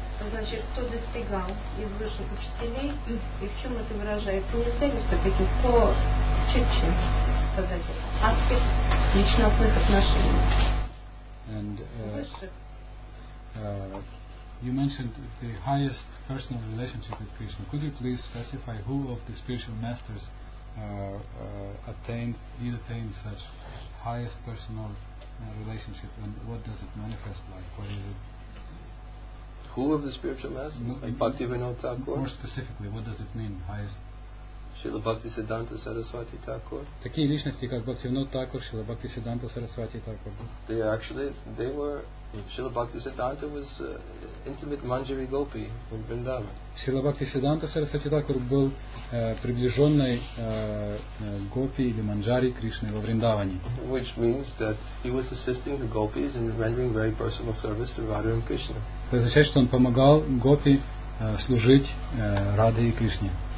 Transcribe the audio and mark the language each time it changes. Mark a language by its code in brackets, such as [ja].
[ru] Значит, кто достигал из высших учителей, и в чем это выражается? Не цели все-таки, кто чуть-чуть, сказать, аспект личностных отношений. [en] And, you mentioned the highest personal relationship with Krishna. Could you please specify who of the spiritual masters did attain such highest personal relationship, and what does it manifest like? What is it? Who of the spiritual masters? Like Bhaktivinoda Thakur? More specifically, what does it mean, highest? Srila Bhaktisiddhanta Saraswati Thakur. [ru] Такие личности, как Бхактивинода Такур, Шрила Бхактисиддханта Сарасвати Такур. [en] Srila Bhaktisiddhanta was intimate Manjari Gopi in Vrindavan. [ru] Srila Bhaktisiddhanta Saraswati Thakur был приближенной Гопи или Манджари Кришны во Вриндаване. [en] Which means that he was assisting the Gopis in rendering very personal service to Radha and Krishna. [ru] Это означает, что он помогал Гопи служить Раде и Кришне.